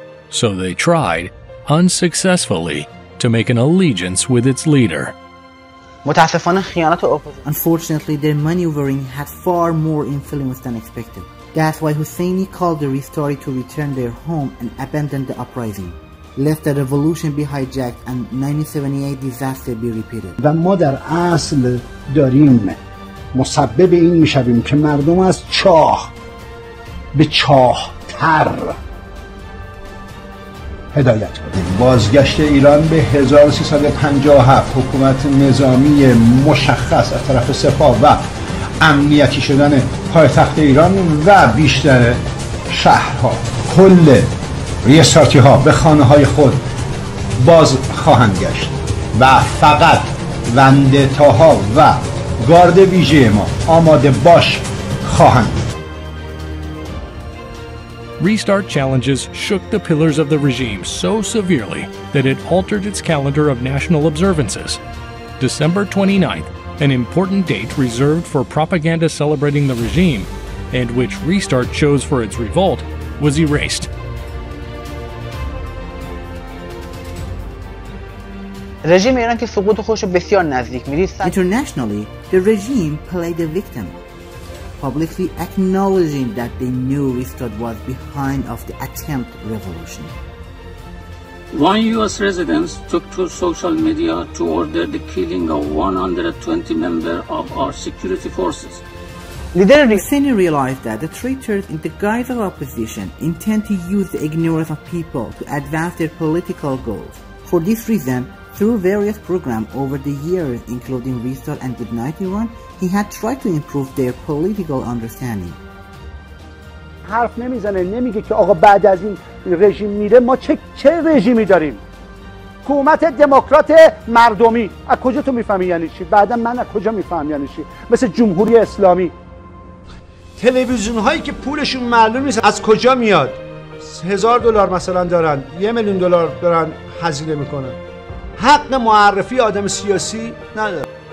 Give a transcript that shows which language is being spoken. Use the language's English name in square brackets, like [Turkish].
[English] So they tried, unsuccessfully, to make an allegiance with its leader. Unfortunately, their maneuvering had far more influence than expected. That's why Hosseini called the Restartees to return their home and abandon the uprising, lest the revolution be hijacked and 1978 disaster be repeated. [Persian] و ما در اصل داریم مسبب این میشویم که مردم از چاه به چاه تر هدایت کنیم. بازگشت ایران به 1357، حکومت نظامی مشخص از طرف سپاه و امنیتی شدن پایتخت ایران و بیشتر شهرها، کل ریستارتی ها به خانه های خود باز خواهند گشت و فقط وندتاها و گارد ویژه ما آماده باش خواهند. [English] Restart challenges shook the pillars of the regime so severely that it altered its calendar of national observances. December 29th, an important date reserved for propaganda celebrating the regime, and which Restart chose for its revolt, was erased. Internationally, the regime played the victim, publicly acknowledging that they knew Restart was behind of the attempt revolution. One U.S. resident took to social media to order the killing of 120 members of our security forces. Hosseini realized that the traitors in the guise of opposition intend to use the ignorance of people to advance their political goals. For this reason, through various programs over the years, including Restart and Goodnight Iran, he had tried to improve their political understanding. [Persian] حرف نمیزنه، نمیگه که آقا بعد از این رژیم میره ما چه رژیمی داریم. حکومت دموکرات مردمی. از کجا تو میفهمی یعنی چی؟ بعدا من از کجا میفهمم یعنی چی؟ مثل جمهوری اسلامی. تلویزیون هایی که پولشون معلوم نیست از کجا میاد، $1,000 مثلا دارن، $1,000,000 دارن هزینه میکنن، حق معرفی آدم سیاسی نداره.